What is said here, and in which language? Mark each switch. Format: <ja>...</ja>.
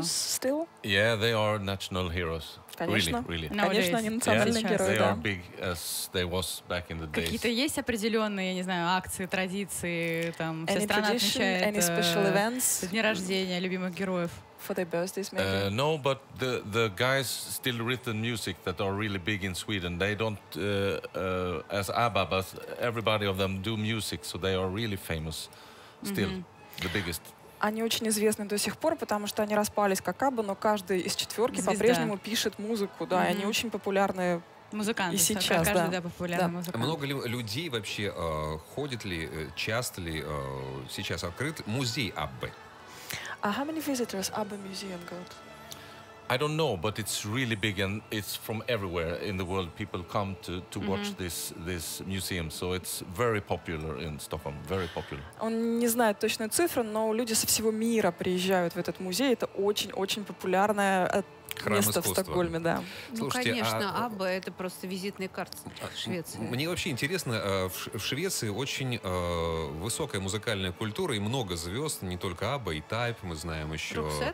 <en>Still? Yeah, they are national heroes.</en> <ru>Конечно, они национальные герои. Какие-то есть определенные, я не знаю, акции, традиции, там, вся страна отмечает дни рождения любимых героев?</ru> <en>For their birthdays, maybe. No, but the guys still written music that are really big in Sweden. They don't as ABBA, but everybody of them do music, so they are really famous still, the biggest.</en> <ru>Они очень известны до сих пор, потому что они распались как АБА, но каждый из четверки Звезда. По-прежнему пишет музыку, да, и они очень популярны музыканты, и сейчас, каждый, да, популярный, да, музыкант. Много ли людей вообще ходит ли, часто ли сейчас открыт музей АБА?</ru> <en>How many visitors ABBA Museum got? I don't know, but it's really big and it's from everywhere in the world. People come to watch this museum, so it's very popular in Stockholm, very popular.</en> <ru>Он не знает точную цифру, но люди со всего мира приезжают в этот музей. Это очень-очень популярное храм место искусства в Стокгольме, да. Слушайте, ну, конечно, АБА — это просто визитная карта Швеции. Мне вообще интересно, в Швеции очень высокая музыкальная культура и много звезд, не только АБА, и Type, мы знаем еще.</ru>